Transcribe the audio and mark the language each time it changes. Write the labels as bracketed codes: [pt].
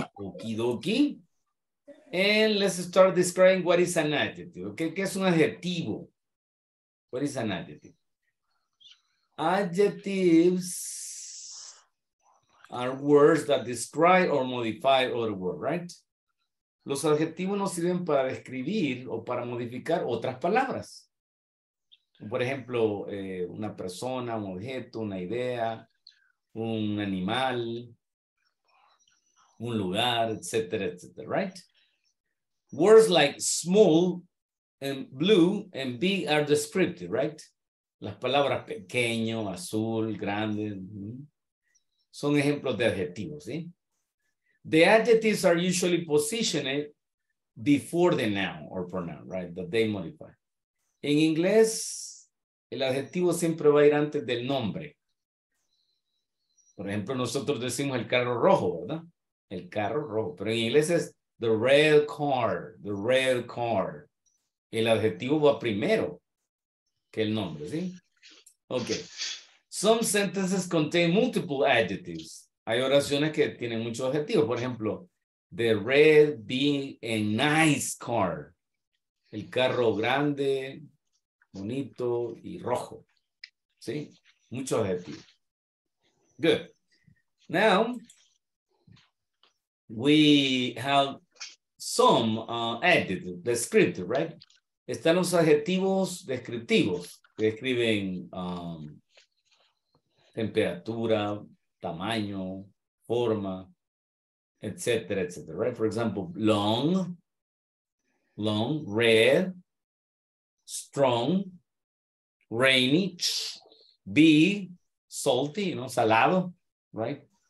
[en] Okie dokie. And let's start describing what is an adjective. Okay, [es] ¿qué es un adjetivo? [en] What is an adjective? Adjectives are words that describe or modify other words, right? [es] Los adjetivos nos sirven para describir o para modificar otras palabras. Por ejemplo, una persona, un objeto, una idea, un animal, un lugar, etcétera, etcétera, right? [en] Words like small and blue and big are descriptive, right? [es] Las palabras pequeño, azul, grande, son ejemplos de adjetivos, ¿sí? [en] The adjectives are usually positioned before the noun or pronoun, right? That they modify. [es] En inglés, el adjetivo siempre va a ir antes del nombre. Por ejemplo, nosotros decimos el carro rojo, ¿verdad? El carro rojo. Pero en inglés es [en] the red car, the red car. [es] El adjetivo va primero que el nombre, ¿sí? [en] Okay. Some sentences contain multiple adjectives. [es] Hay oraciones que tienen muchos adjetivos. Por ejemplo, [en] the red, big, and nice car. [es] El carro grande, bonito y rojo. ¿Sí? Muchos adjetivos. Good. [en] Now, we have some adjectives, descriptive, right? [es] Están los adjetivos descriptivos que describen temperatura, tamaño, forma, etcétera, etcétera, right? [en] For example, long, long, red, strong, rainy, big, salty, you know, salado, right?